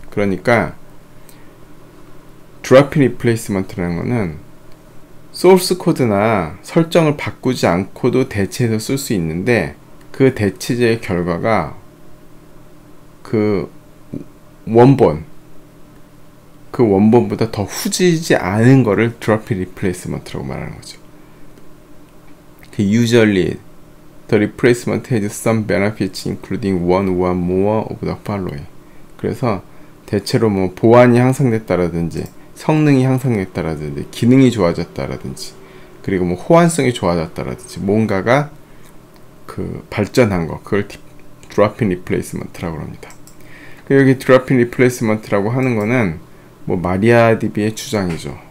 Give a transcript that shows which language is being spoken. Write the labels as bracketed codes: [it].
[ko] 그러니까 drop-in replacement라는 거는 소스 코드나 설정을 바꾸지 않고도 대체해서 쓸수 있는데, 그 대체제의 결과가 그 원본, 그 원본보다 더 후지지 않은 거를 drop replacement라고 말하는 거죠. [en] Usually, the replacement has some benefits, including one or more of the following. [ko] 그래서 대체로 뭐 보안이 향상됐다라든지, 성능이 향상됐다라든지, 기능이 좋아졌다라든지, 그리고 뭐 호환성이 좋아졌다라든지, 뭔가가 그 발전한 거, 그걸 drop in replacement라고 합니다. 여기 drop in replacement라고 하는 거는 뭐 마리아DB의 주장이죠.